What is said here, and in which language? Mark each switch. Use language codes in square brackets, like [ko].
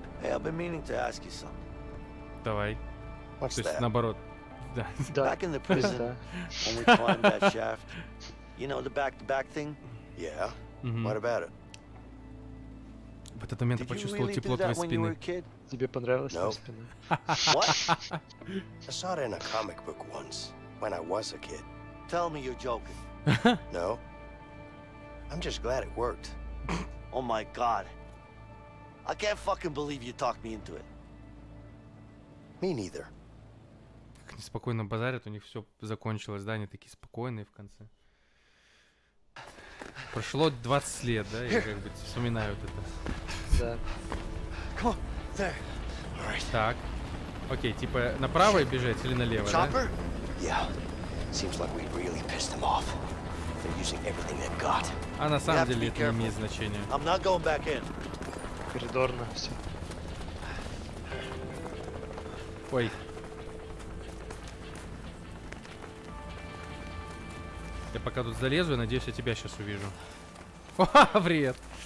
[en] Hey, I've been meaning to ask you something. [ru] Давай. [en] What's [ru] То [en] that? [ru] Есть наоборот. [en] Back in the prison, when we climbed that shaft. You know the back-to-back thing? Yeah. Mm-hmm. What about it? [ru] В этот момент я почувствовал тепло твоей спины. Тебе понравилась твоя спина? [en] What? I saw it in a comic book once, when I was a kid. Tell me you're joking. No. I'm just glad it worked. Oh my god. I can't fucking believe you talked me into it. Me neither. [ru] Как они спокойно базарят, у них все закончилось, да? Они такие спокойные в конце. Прошло 20 лет, да? Я как бы вспоминаю вот это. Да. [en] Come on, there. [ru] Так. Окей, типа направо бежать или налево, Chopper? [en] Да? Yeah. Seems like we really pissed them off. They're using everything they've got. [ru] А на самом деле это не имеет значения. [en] I'm not going back [ru] in. Коридорно все. Ой. Я пока тут залезу, я надеюсь, я тебя сейчас увижу. Ха-ха, привет!